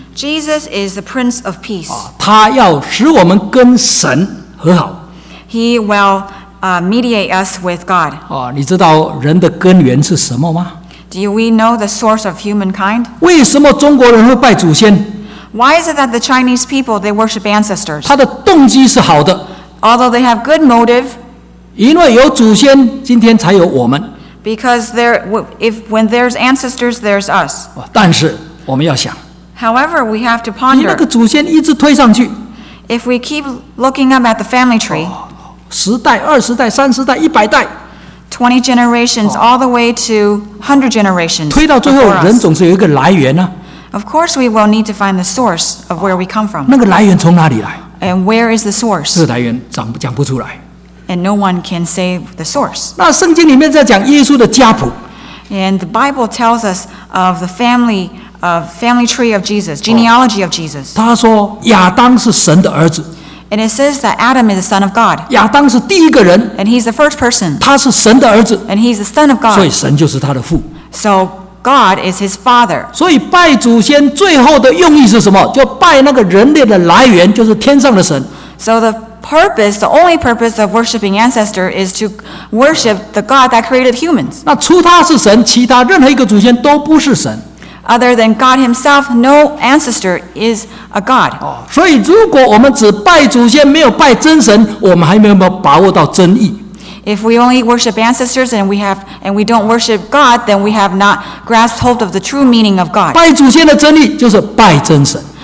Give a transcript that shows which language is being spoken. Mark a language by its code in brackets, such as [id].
[en] Jesus is the prince of peace. [zh] 他要使我们跟神和好。 [en] He will mediate us with God. [zh] 你知道人的根源是什么吗？ [en] Do we know the source of humankind? [zh] 为什么中国人会拜祖先？ [en] Why is it that the Chinese people, they worship ancestors? [zh] 他的动机是好的。 [en] Although they have good motive. [zh] 因为有祖先，今天才有我们。 [en] Because when there's ancestors, there's us. [zh] 但是我们要想。 [en] However, we have to ponder. [zh] 你那个祖先一直推上去。 [en] If we keep looking up at the family tree. [zh] 十代、二十代、三十代、一百代。 [en] 20 generations, all the way to 100 generations. [zh] 推到最后，人总是有一个来源呢。 [en] Of course, we will need to find the source of where we come from. [zh] 那个来源从哪里来？ [en] And where is the source? [zh] 这个来源讲不出来。 [en] and no one can say the source. [zh] 那圣经里面在讲耶稣的家谱。 [en] And the Bible tells us of the family, of family tree of Jesus, genealogy of Jesus. [zh] 他说亚当是神的儿子。 [en] And it says that Adam is the son of God. [zh] 亚当是第一个人。 [en] And he's the first person. [zh] 他是神的儿子。 [en] And he's the son of God. [zh] 所以神就是他的父。 [en] So God is his father. [zh] 所以拜祖先最后的用意是什么？就拜那个人类的来源，就是天上的神。 [en] So the purpose, the only purpose of worshiping ancestor is to worship the God that created humans. [zh] 那除他是神，其他任何一个祖先都不是神。 [en] Other than God himself, no ancestor is a God. [zh] 所以如果我们只拜祖先，没有拜真神，我们还没有把握到真义。 [en] If we only worship ancestors and we don't worship God, then we have not grasped hold of the true meaning of God. [zh] 拜祖先的真义就是拜真神。